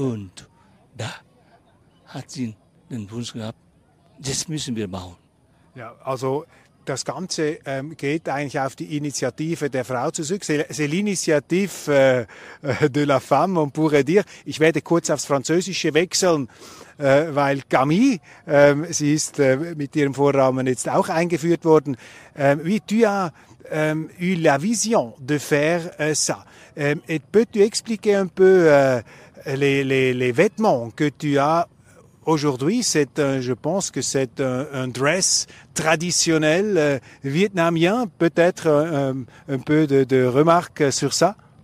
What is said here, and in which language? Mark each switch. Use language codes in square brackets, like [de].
[de] Und da hat sie den Wunsch gehabt, das müssen wir bauen. Ja, also das Ganze geht eigentlich auf die Initiative der Frau zurück. [fr] C'est l'initiative de la femme, on pourrait dire. [de] Ich werde kurz aufs Französische wechseln, weil Camille, sie ist mit ihrem Vornamen jetzt auch eingeführt worden. [fr] Oui, tu as eu la vision de faire ça. Et peux-tu expliquer un peu les vêtements que tu as? Aujourd'hui, je pense que c'est un dress traditionnel vietnamien. Peut-être un peu de remarques sur ça.